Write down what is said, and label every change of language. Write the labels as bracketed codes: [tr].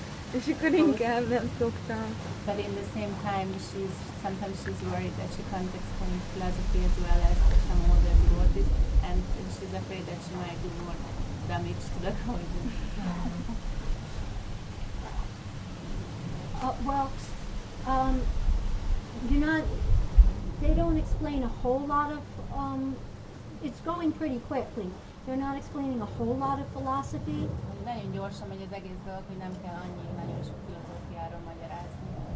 [hu] És akkor inkább nem szoktam. [en] But in the same time, she's worried that she can't explain philosophy as well as some other devotees, and she's afraid that she might do more damage to the cause. They don't explain a whole lot of, it's going pretty quickly. They're not explaining a whole lot of philosophy. [hu] Nagyon gyorsan megy az egész dolog, hogy nem kell annyi nagyon sok filozófiáról magyarázni.